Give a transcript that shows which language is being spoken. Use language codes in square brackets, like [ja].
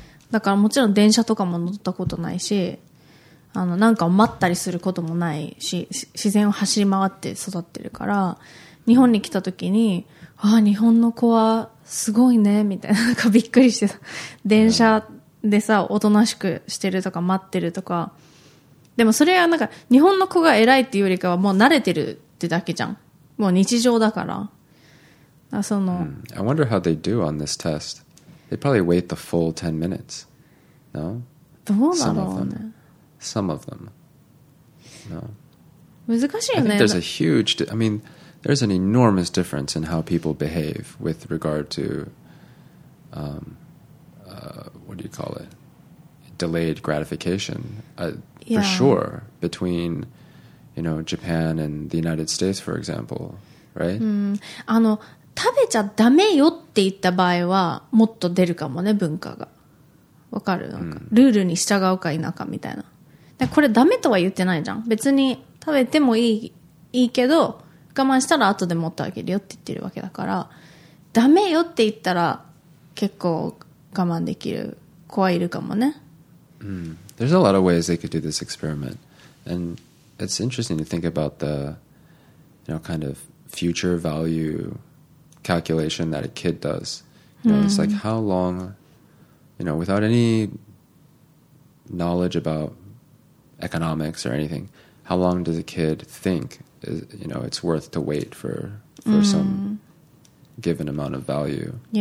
[ja] だからもちろん電車とかも乗ったことないしあのなんか待ったりすることもないし自然を走り回って育ってるから日本に来た時にああ日本の子はすごいねみたいななんかびっくりしてさ電車でさおとなしくしてるとか待ってるとかでもそれはなんか日本の子が偉いっていうよりかはもう慣れてるってだけじゃんもう日常だから [en] I wonder how they do on this test. They probably wait the full 10 minutes. No? [ja] どうだろうね? [en] Some of them. No. [ja] 難しいよね。 [en] I think there's a huge... I mean, there's an enormous difference in how people behave with regard to... what do you call it? Delayed gratification. Yeah. For sure. Between, you know, Japan and the United States, for example. Right? [ja] あの食べちゃダメよって言った場合はもっと出るかもね文化がわかる、なんかルールに従うか否かみたいな。でこれダメとは言ってないじゃん、別に食べてもいいけど我慢したら後で持ってあげるよって言ってるわけだから、ダメよって言ったら結構我慢できる子はいるかもね。 [en] There's a lot of ways they could do this experiment. And it's interesting to think about the, you know, kind of future value calculation that a kid does. You know, it's like how long, you know, without any knowledge about economics or anything, how long does a kid think, you know, it's worth to wait for some given amount of value?